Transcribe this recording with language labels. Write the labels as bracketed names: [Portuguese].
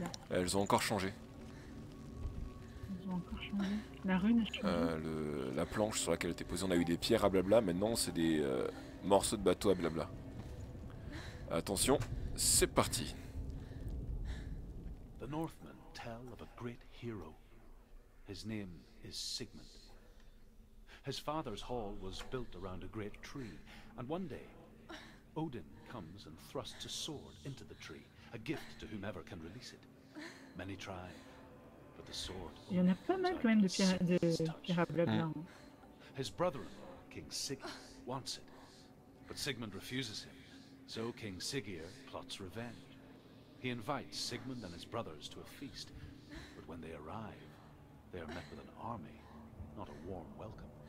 [French] Elles ont encore changé. Elles ont encore changé. La rune a changé. La planche sur laquelle était posée, on a eu des pierres à blabla. Maintenant, c'est des morceaux de bateau à blabla. Attention, c'est parti. [English] The Northmen tell of a great hero. His name is Sigmund. His father's hall was built around a great tree, and one day, Odin comes and thrusts a sword into the tree, a gift to whomever can release it. Many try, but the sword... [French] Il y en a pas mal quand même de pirates blablabla. Mm. [English] His brother-in-law, King Sigir, wants it, but Sigmund refuses him, so King Sigir plots revenge. He invites Sigmund and his brothers to a feast, but when they arrive, they are met with an army, not a warm welcome.